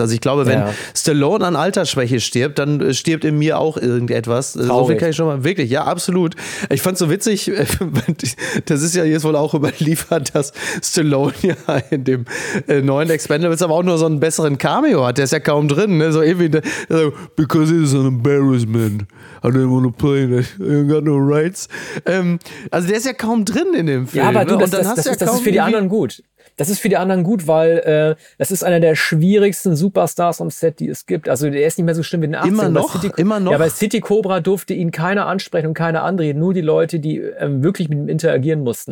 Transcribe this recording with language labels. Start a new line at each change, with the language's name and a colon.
German: Also ich glaube, wenn Stallone an Altersschwäche stirbt, dann stirbt in mir auch irgendetwas. Traurig. So viel kann ich schon mal, wirklich, ja, absolut. Ich fand's so witzig, das ist ja jetzt wohl auch überliefert, dass Stallone ja in dem neuen Expendables aber auch nur so einen besseren Cameo hat. Der ist ja kaum drin, ne? So irgendwie, so,
English: because it is an embarrassment. I didn't want to play it. I got no rights.
German: Also der ist ja kaum drin in dem Film. Ja, aber du, das ist für die anderen gut. Das ist für die anderen gut, weil das ist einer der schwierigsten Superstars am Set, die es gibt. Also der ist nicht mehr so schlimm wie den 80ern. Immer noch. Ja, bei City Cobra durfte ihn keiner ansprechen und keiner anreden. Nur die Leute, die wirklich mit ihm interagieren mussten.